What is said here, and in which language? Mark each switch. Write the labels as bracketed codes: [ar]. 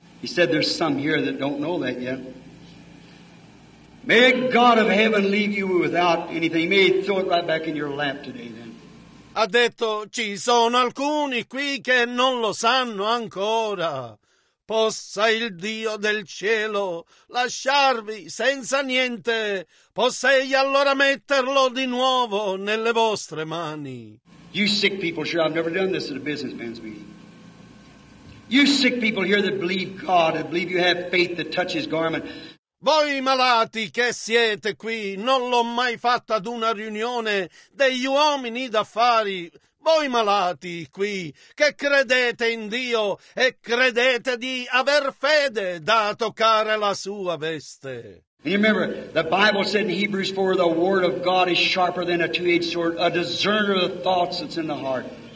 [en] He said there's some here that don't know that yet. May God of heaven leave you without anything. May he throw it right back in your lap today then. [it] Ha detto, ci sono alcuni qui che non lo sanno ancora. Possa il Dio del cielo lasciarvi senza niente. Possa egli allora metterlo di nuovo nelle vostre mani. [en] You sick people, sure, I've never done this at a businessman's meeting. You sick people here that believe God and believe you have faith to touch his garment. [it] Voi malati che siete qui, non l'ho mai fatto ad una riunione degli uomini d'affari. Voi malati qui, che credete in Dio e credete di aver fede da toccare la sua veste. [en] You remember, the Bible said in Hebrews 4, the word of God is sharper than a two-edged sword, a discerner of the thoughts that's in the heart.